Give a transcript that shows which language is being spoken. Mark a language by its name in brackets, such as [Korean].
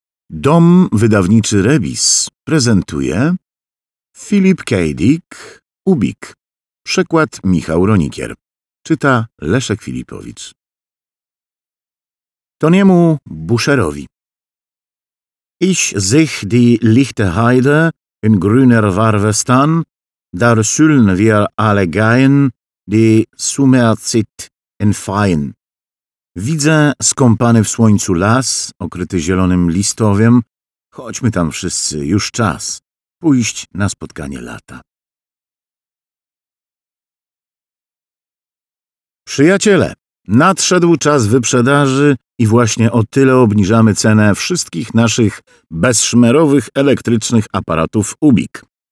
[Polish] Dom wydawniczy Rebis prezentuje Philip K. Dick, Ubik. Przekład Michał Ronikier. Czyta Leszek Filipowicz. Toniemu Boucherowi. [Middle High German] Ich sich die lichte Heide in grüner Warwe stan, da sülln wir alle gein, die Summerzit in fein. [Polish] Widzę skąpany w słońcu las, okryty zielonym listowiem. Chodźmy tam wszyscy, już czas pójść na spotkanie lata. Przyjaciele, nadszedł czas wyprzedaży i właśnie o tyle obniżamy cenę wszystkich naszych bezszmerowych elektrycznych aparatów Ubik.